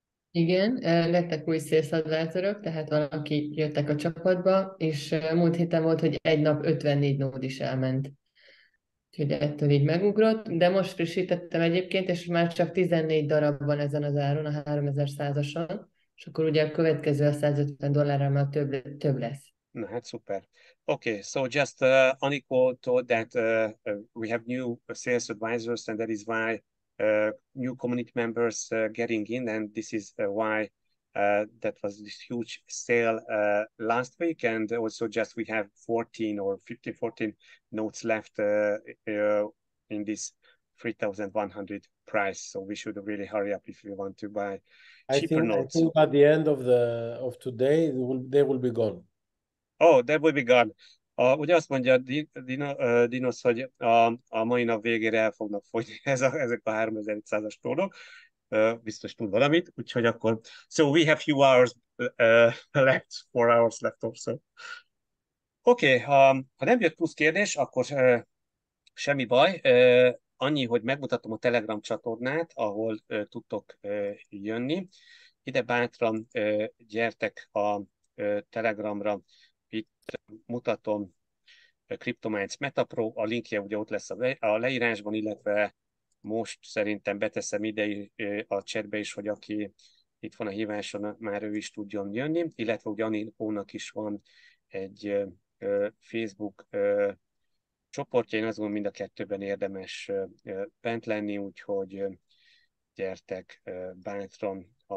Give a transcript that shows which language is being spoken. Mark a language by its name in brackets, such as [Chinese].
[Hungarian] Igen, lettek új sales advisorok, tehát van, aki jöttek a csapatba, és múlt héten volt, hogy egy nap 54 nód is elment. Úgyhogy ettől így megugrott, de most frissítettem egyébként, és már csak 14 darab van ezen az áron, a 3100-ason, és akkor ugye a következő a 150 dollárra már több lesz. Na hát szuper. [English] Okay, so just Aniko told that we have new sales advisors, and that is why new community members getting in, and this is why that was this huge sale last week, and also just we have 14 notes left in this 3100 price, so we should really hurry up if we want to buy cheaper notes. I think at the end of today they will be gone. Oh, they will be gone. [Hungarian] Ugye azt mondja Dinosz, hogy a mai nap végére el fognak fogyni ezek a 3100-as tónok. Biztos tud valamit, úgyhogy akkor... [English] So we have few hours left, 4 hours left or so. [Hungarian] Okay, ha nem jött plusz kérdés, akkor semmi baj. Annyi, hogy megmutatom a Telegram csatornát, ahol tudtok jönni. Ide bátran gyertek a Telegramra. Itt mutatom Cryptominds MetaPro, a linkje ugye ott lesz a leírásban, illetve most szerintem beteszem ide a chatbe is, hogy aki itt van a híváson, már ő is tudjon jönni, illetve ugye Anikónak is van egy Facebook csoportja, én azt gondolom mind a kettőben érdemes bent lenni, úgyhogy gyertek bátran.